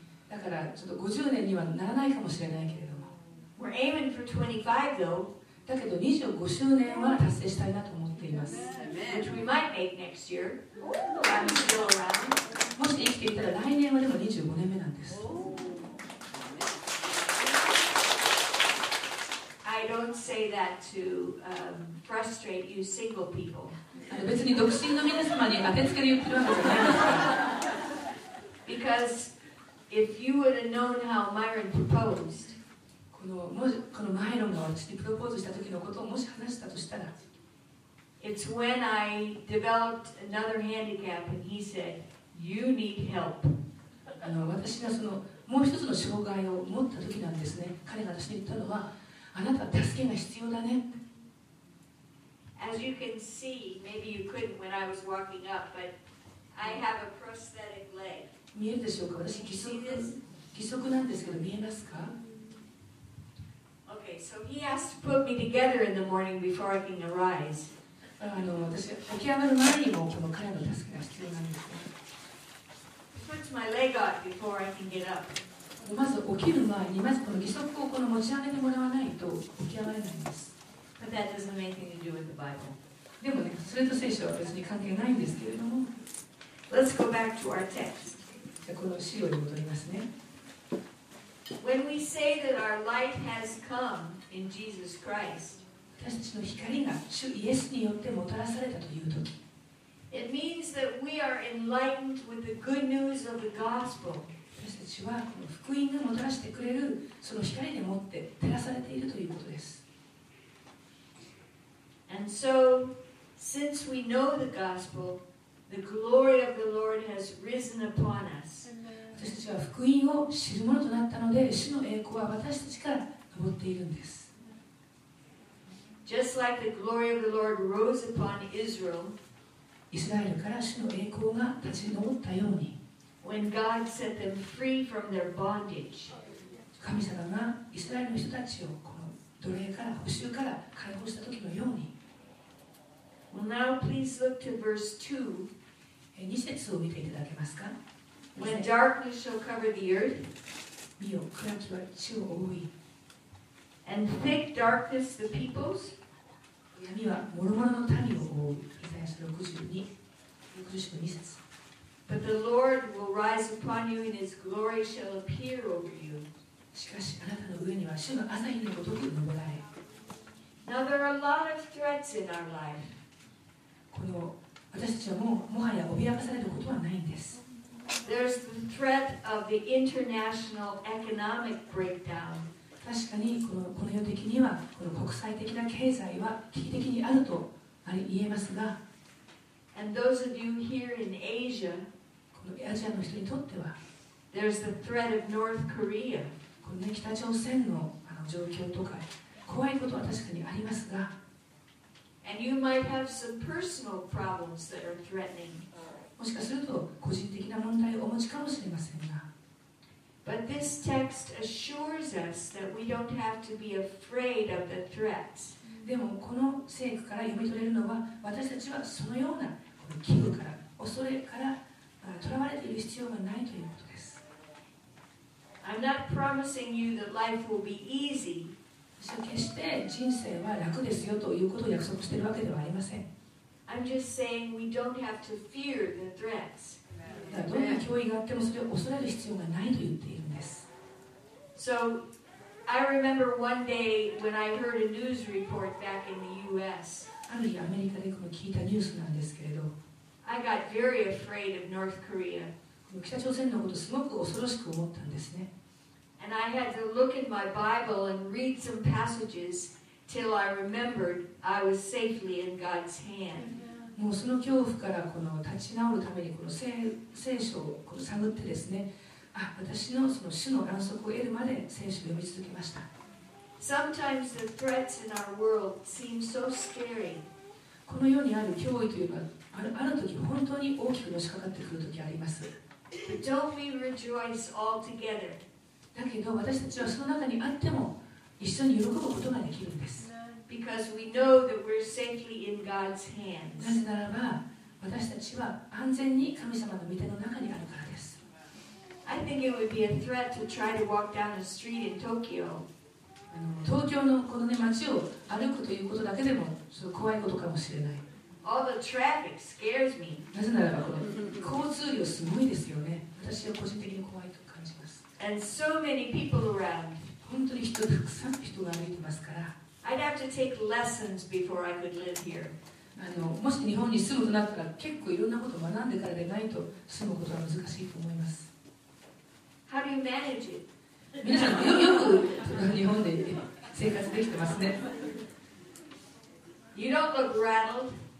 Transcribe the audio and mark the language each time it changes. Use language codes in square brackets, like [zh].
[ja] だからちょっと50年にはならないかもしれないけれども。 [en] We're aiming for 25 though. [ja] だけど25周年は達成したいなと思っています。 [en] Which we might make next year. I'm still around. [ja] もし生きていたら来年はでも25年目なんです。 [en] I don't say that to frustrate you single people. [ja] 別に独身の皆様に当てつけで言ってるわけじゃないです [en] Because if you would have known how Myron proposed, [ja] このマイロンが私にプロポーズした時のことをもし話したとしたら、 [en] It's when I developed another handicap and he said, you need help. [ja] 私がそのもう一つの障害を持った時なんですね。彼が私に言ったのは、あなたは助けが必要だね。 [en] As you can see, maybe you couldn't when I was walking up, but I have a prosthetic leg. [ja] 見えるでしょうか。私義足なんですけど見えますか。 [en] Okay, so he has to put me together in the morning before I can arise. [ja] 私起き上がる前にもこの彼の助けが必要なんです。 [en] He puts my leg out before I can get up. [ja] まず起きる前にまずこの義足をこの持ち上げてもらわないと起き上がれないんです。 [en] But that doesn't have anything to do with the Bible. [ja] でもね、それと聖書は別に関係ないんですけれども。 [en] Let's go back to our text. [ja] じゃあこの資料に戻りますね。 [en] When we say that our light has come in Jesus Christ, [ja] 私たちの光が主イエスによってもたらされたというとき、 [en] it means that we are enlightened with the good news of the gospel. [ja] 私たちはこの福音がもたらしてくれるその光でもって照らされているということです。 [en] And so, since we know the gospel, the glory of the Lord has risen upon us. [ja] 私たちは福音を知るものとなったので、主の栄光は私たちから昇っているんです。 [en] Just like the glory of the Lord rose upon Israel, [ja] イスラエルから主の栄光が立ち上ったように、 [en] when God set them free from their bondage, [ja] 神様がイスラエルの人たちをこの奴隷から、捕囚から解放した時のように、 [en] Well, now please look to verse 2. [ja] 二節を見ていただけますか。 [en] When darkness shall cover the earth, [ja] 見よ、暗きは地を覆い。 [en] And thick darkness the peoples, [ja] 闇は諸々の民を覆う。イザヤ書62:2節。 [en] But the Lord will rise upon you and his glory shall appear over you. [ja] しかし、あなたの上には主の朝日のごとく昇られ。 [en] Now there are a lot of threats in our life. [ja] この私たちはもうもはや脅かされることはないんです。 [en] There's the threat of the international economic breakdown. [ja] 確かにこの世的にはこの国際的な経済は危機的にあると言えますが、 [en] And those of you here in Asia, [ja] このアジアの人にとっては、 [en] There's the threat of North Korea. [ja] この、ね、北朝鮮の、状況とか怖いことは確かにありますが、 [en] And you might have some personal problems that are threatening. [ja] もしかすると個人的な問題をお持ちかもしれませんが、 [en] But this text assures us that we don't have to be afraid of the threats. [ja] でもこの聖句から読み取れるのは、私たちはそのような危惧から恐れから囚われている必要がないということです。 [en] I'm not promising you that life will be easy. [ja] 私は決して人生は楽ですよということを約束しているわけではありません。 [en] I'm just saying we don't have to fear the threats. [ja] どんな脅威があってもそれを恐れる必要がないと言っているんです。 [en] So, I remember one day when I heard a news report back in the US. [ja] ある日アメリカで聞いたニュースなんですけれど、 [en] I got very afraid of North Korea. [ja] 北朝鮮のことをすごく恐ろしく思ったんですね。 [en] And I had to look in my Bible and read some passages till I remembered I was safely in God's hand. [ja] もうその恐怖からこの立ち直るためにこの聖書をこの探ってですね、私のその主の安息を得るまで聖書を読み続けました。 [en] Sometimes the threats in our world seem so scary. [ja] この世にある脅威というのはある時本当に大きくのしかかってくる時あります。 [en] But don't we rejoice all together? [ja] だけど私たちはその中にあっても一緒に喜ぶことができるんです。 [en] Because we know that we're safely in God's hands. [ja] なぜならば私たちは安全に神様の御手の中にあるからです。 [en] I think it would be a threat to try to walk down the street in Tokyo. [ja] 東京のこのね街を歩くということだけでもそう怖いことかもしれない。 [en] All the traffic scares me. [ja] なぜならばこの交通量すごいですよね。私は個人的に怖いと。 [en] And so many people around. [ja] 本当に人たくさん人が歩いてますから。 [en] I'd have to take lessons before I could live here. [ja] もし日本に住むとなったら、結構いろんなことを学んでからでないと住むことは難しいと思います。 [en] How do you manage it? [ja] 皆さんよく日本で生活できてますね。 [en] You don't look rattled.